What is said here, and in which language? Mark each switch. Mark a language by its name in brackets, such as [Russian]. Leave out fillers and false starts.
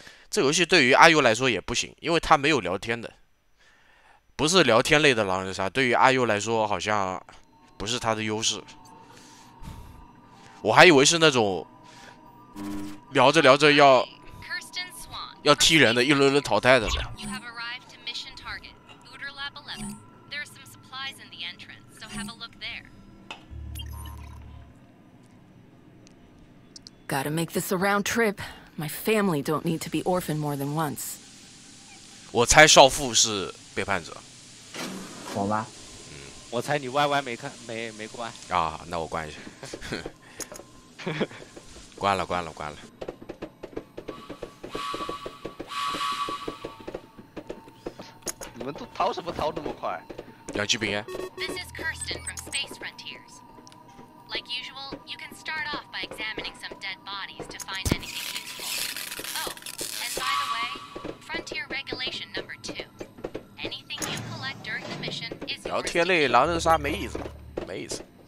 [Chinese] 这游戏对于阿尤来说也不行，因为他没有聊天的，不是聊天类的狼人杀。对于阿尤来说，好像不是他的优势。我还以为是那种聊着聊着要。要踢人的，一轮轮淘汰的。 [English] You have arrived to mission target, Uter Lab 11. There are some supplies in the entrance, so have a look there. Gotta make this a round trip. My family don't need to be orphaned more than once. [Chinese] 我猜少妇是背叛者。我吗？我猜你 YY 没关。啊，那我关一下。关了。们都逃什么逃那么快？氧气瓶。 [English] This is Kirsten from Space Frontiers. Like usual, you can start off by examining some dead bodies to find anything useful. Oh, and by the way, Frontier Regulation Number Two. Anything you collect during the mission is. [Chinese] 聊天类狼人杀没意思，没意思。